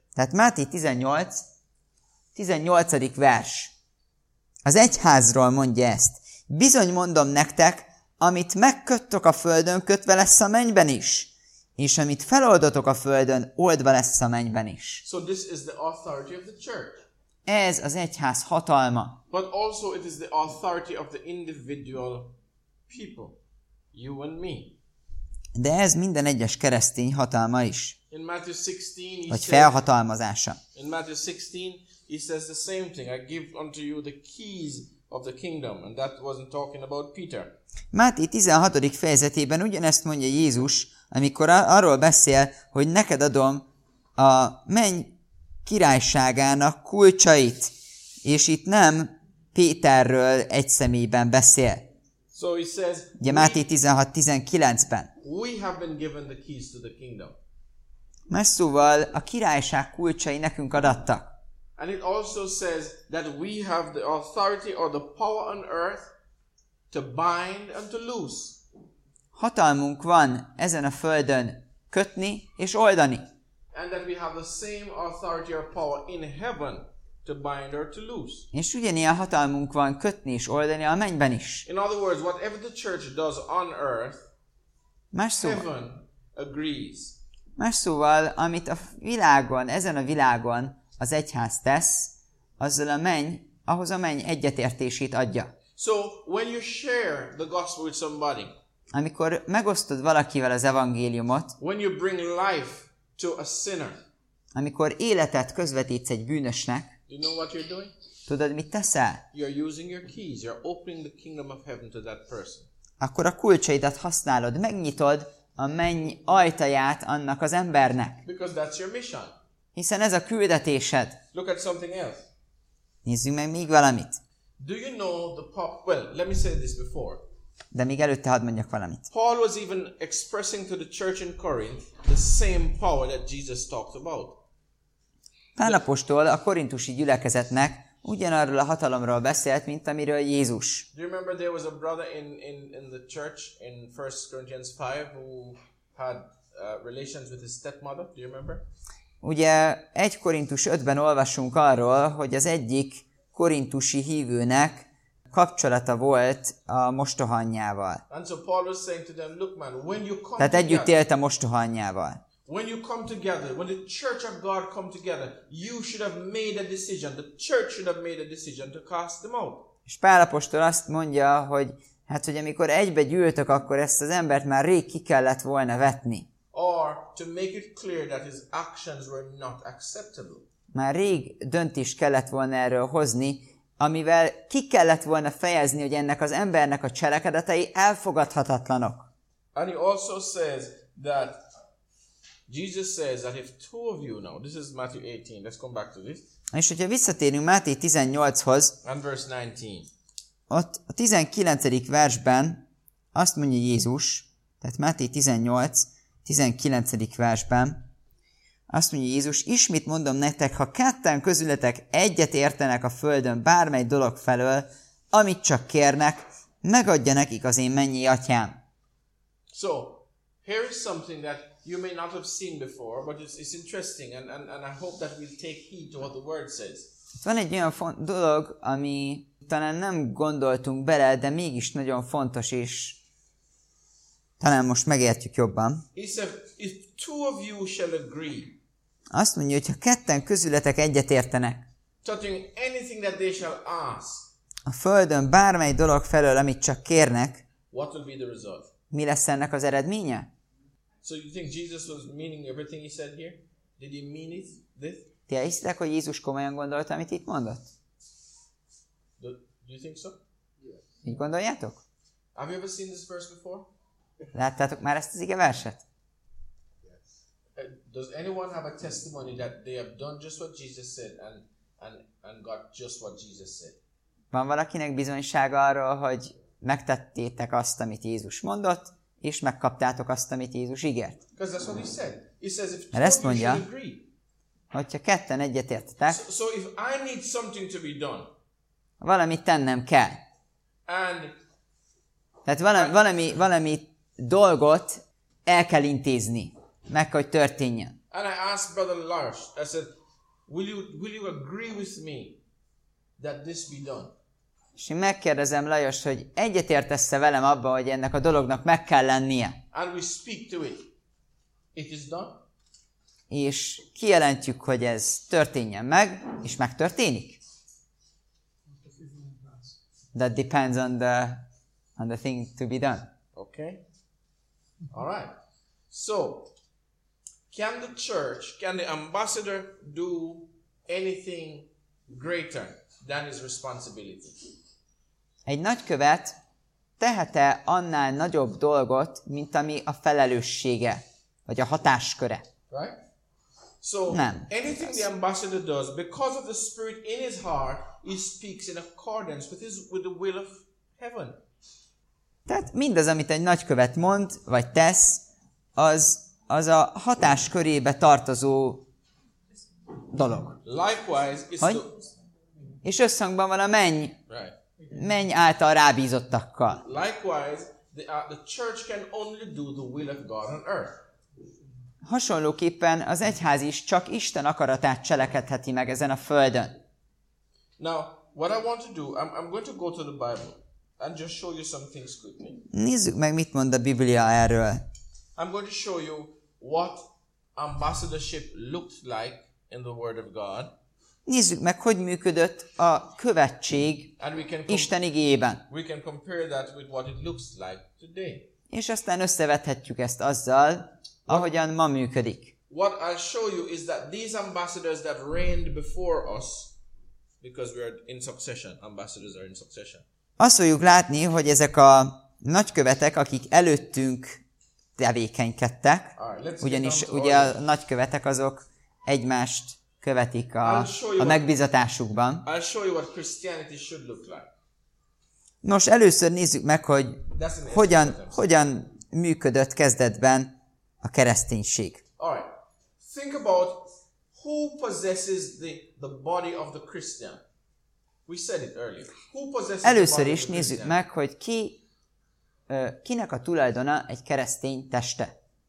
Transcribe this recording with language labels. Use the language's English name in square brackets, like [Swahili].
[Hungarian] Tehát Máté 18. vers. Az egyházról mondja ezt. Bizony mondom nektek, amit megköttök a földön, kötve lesz a mennyben is. És amit feloldotok a földön, oldva lesz a mennyben is. [English] So this is the authority of the church. [Hungarian] Ez az egyház hatalma. [English] But also it is the authority of the individual people. You and me. [Hungarian] De ez minden egyes keresztény hatalma is. [English] In Matthew 16, [Hungarian] vagy felhatalmazása. [English] In Matthew 16, he says the same thing. I give unto you the keys of the kingdom. And that wasn't talking about Peter. [Hungarian] Máté 16. fejezetében ugyanezt mondja Jézus, amikor arról beszél, hogy neked adom a menny királyságának kulcsait, és itt nem Péterről egy személyben beszél. [English] So he says, [Hungarian] ugye Máté 16:19-ben. [English] We have been given the keys to the kingdom. [Hungarian] Más szóval a királyság kulcsai nekünk adattak. [English] And it also says that we have the authority or the power on earth to bind and to loose. [Hungarian] Hatalmunk van ezen a földön kötni és oldani. [English] And that we have the same authority or power in heaven to bind or to loose. [Hungarian] És ugyanilyen hatalmunk van kötni és oldani a mennyben is. [English] In other words, whatever the church does on earth, heaven agrees. [Hungarian] Más szóval, amit a világon, ezen a világon az egyház tesz, azzal a menny, ahhoz a menny egyetértését adja. [English] So when you share the gospel with somebody, [Hungarian] amikor megosztod valakivel az evangéliumot, [English] when you bring life to a sinner, [Hungarian] amikor életet közvetítsz egy bűnösnek, [English] you know what you're doing? [Hungarian] Tudod, mit teszel? [English] You're using your keys, you're opening the kingdom of heaven to that person. [Hungarian] Akkor a kulcsaidat használod, megnyitod a menny ajtaját annak az embernek. [English] Because that's your mission. [Hungarian] Hiszen ez a küldetésed. [English] Look at something else. [Hungarian] Nézzük meg még valamit. [English] Do you know the well, let me say this before. [Hungarian] De még előtte hadd mondjak valamit. [English] Paul was even expressing to the church in Corinth the same power that Jesus talked about. [Hungarian] Pál apostol a korintusi gyülekezetnek ugyanarról a hatalomról beszélt, mint amiről Jézus. [English] Do you remember there was a brother in the church in 1 Corinthians 5 who had relations with his stepmother? Do you remember? [Hungarian] Ugye 1 Korintus 5-ben olvasunk arról, hogy az egyik korintusi hívőnek kapcsolata volt a mostohanyjával. [English] And so Paul was saying to them, look man, when you come [Hungarian] tehát együtt élt a mostohanyjával. [English] When you come together, when the church of God come together, you should have made a decision. The church should have made a decision to cast them out. [Hungarian] És Pál apostol azt mondja, hogy hát hogy amikor egybe gyűltök, akkor ezt az embert már rég ki kellett volna vetni. [English] Or to make it clear that his actions were not acceptable. [Hungarian] Már rég döntést kellett volna erről hozni, amivel ki kellett volna fejezni, hogy ennek az embernek a cselekedetei elfogadhatatlanok. [English] And he also says that Jesus says that if two of you now, this is Matthew 18, let's come back to this. [Hungarian] És hogyha visszatérünk Máté 18-hoz, [English] and verse 19. [Hungarian] Ott a 19. versben azt mondja Jézus, tehát Máté 18:19. Versben azt mondja Jézus, ismét mondom nektek, ha ketten közületek egyet értenek a földön bármely dolog felől, amit csak kérnek, megadja nekik az én mennyi atyám. [English] So, here is something that you may not have seen before, but it's interesting, and I hope that we'll take heed to what the word says. [Hungarian] Itt van egy olyan dolog, ami talán nem gondoltunk bele, de mégis nagyon fontos, és talán most megértjük jobban. [English] He said, if two of you shall agree, [Hungarian] azt mondja, hogy ha ketten közületek egyetértenek, [English] anything that they shall ask, [Hungarian] a földön bármely dolog felől, amit csak kérnek, [English] what will be the result? [Hungarian] Mi lesz ennek az eredménye? [English] So you think Jesus was meaning everything he said here? Did he mean it, this? [Hungarian] Ti hiszitek, hogy Jézus komolyan gondolta, amit itt mondott? [English] Do you think so? [Hungarian] Mit gondoljátok? [English] Have you ever seen this verse before? [Hungarian] Láttátok már ezt az ige verset? [English] Does anyone have a testimony that they have done just what Jesus said and got just what Jesus said? [Hungarian] Van valakinek bizonysága arról, hogy megtettétek azt, amit Jézus mondott, és megkaptátok azt, amit Jézus ígért? [English] Because that's what he said. He says if [Hungarian] ezt mondja, hogyha ketten egyetértetek. [English] So if I need something to be done. [Hungarian] Valamit tennem kell. [English] And [Hungarian] tehát valami dolgot el kell intézni, meg hogy történjen. [English] And I asked Brother Lars, I said, will you agree with me that this be done? [Hungarian] És én megkérdezem Lajos, hogy egyetértesz-e velem abban, hogy ennek a dolognak meg kell lennie. [English] And we speak to it. It is done. [Hungarian] És kijelentjük, hogy ez történjen meg, és megtörténik. [English] That depends on the thing to be done. Okay. All right. So, can the church, can the ambassador do anything greater than his responsibility? [Hungarian] Egy nagykövet tehet-e annál nagyobb dolgot, mint ami a felelőssége, vagy a hatásköre? [English] Right? So, [Hungarian] nem. [English] Anything the ambassador does, because of the spirit in his heart, he speaks in accordance with the will of heaven. [Hungarian] Tehát mindaz, amit egy nagykövet mond, vagy tesz, az a hatás körébe tartozó dolog. [English] Likewise, [Hungarian] és összhangban van a menny. [English] Right. [Hungarian] Menny által rábízottakkal. [English] Likewise, the church can only do the will of God on earth. [Hungarian] Hasonlóképpen az egyház is csak Isten akaratát cselekedheti meg ezen a földön. [English] Now, what I want to do, I'm going to go to the Bible and just show you some things quickly. [Hungarian] Nézzük meg, mit mond a Biblia erről. [English] I'm going to show you what ambassadorship looked like in the Word of God. [Hungarian] Nézzük meg, hogy működött a követség Isten igében. [English] We can compare that with what it looks like today. [Hungarian] És aztán összevethetjük ezt azzal, ahogyan ma működik. [English] What I'll show you is that these ambassadors that reigned before us, because we are in succession, ambassadors are in succession. [Hungarian] Azt fogjuk látni, hogy ezek a nagykövetek, akik előttünk tevékenykedtek, ugyanis ugye a nagykövetek azok egymást követik a megbízatásukban. [English] I'll show you what Christianity should look like. [Hungarian] Nos, először nézzük meg, hogy hogyan működött kezdetben a kereszténység. [English] All right. Think about who possesses the body of the Christian. We said it earlier. Who possesses [Hungarian] először is nézzük meg, hogy kinek a tulajdona egy keresztény teste.